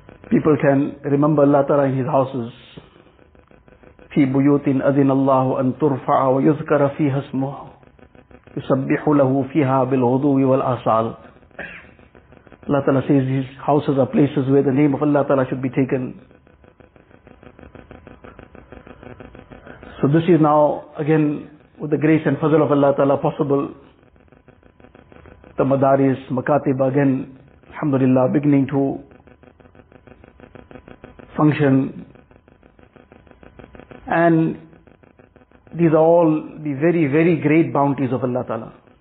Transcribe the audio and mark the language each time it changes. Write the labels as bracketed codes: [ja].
[en] People can remember Allah Ta'ala in His houses. [ar] في بيوت أذن الله أن ترفع ويذكر فيها اسمه يسبح له فيها بالغدو والآصال. [en] Allah Ta'ala says His houses are places where the name of Allah Ta'ala should be taken. So this is now again with the grace and fazl of Allah Ta'ala possible. The madaris, makatib again, alhamdulillah, beginning to function, and these are all the very, very great bounties of Allah Ta'ala.